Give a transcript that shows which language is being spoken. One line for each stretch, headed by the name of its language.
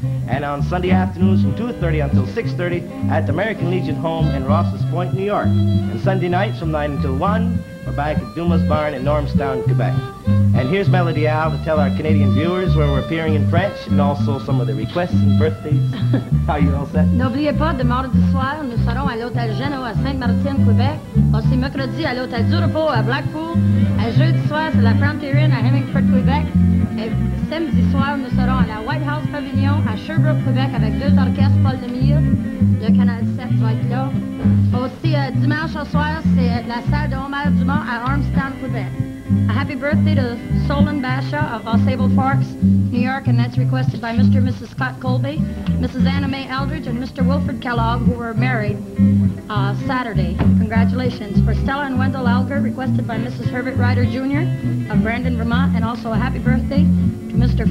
English: And on Sunday afternoons from 2:30 until 6:30 at the American Legion home in Ross's Point, New York. And Sunday nights from 9 until 1, we're back at Dumas Barn in Normstown, Quebec. And here's Melody Al to tell our Canadian viewers where we're appearing in French and also some of the requests and birthdays. Are you all set?
French: N'oubliez pas, de mardi soir, nous serons à l'hôtel Jeannot à Saint-Martin, Quebec. Aussi mercredi à l'hôtel Durepo à Blackpool. À jeudi soir, c'est la Frontier Inn à Hemingford, Quebec. Et samedi soir, nous serons à la White House Pavilion à Sherbrooke, Quebec avec deux orchestres Paul Demire. Le Canal 7 va être là. Aussi, dimanche au soir, c'est la salle de Omer Dumont à Armstrong, Quebec.
English: A happy birthday to Solon Basha of Sable Forks, New York, and that's requested by Mr. and Mrs. Scott Colby, Mrs. Anna Mae Eldridge, and Mr. Wilfred Kellogg, who were married Saturday. Congratulations. For Stella and Wendell Elger, requested by Mrs. Herbert Ryder Jr. of Brandon, Vermont, and also a happy birthday to Mr.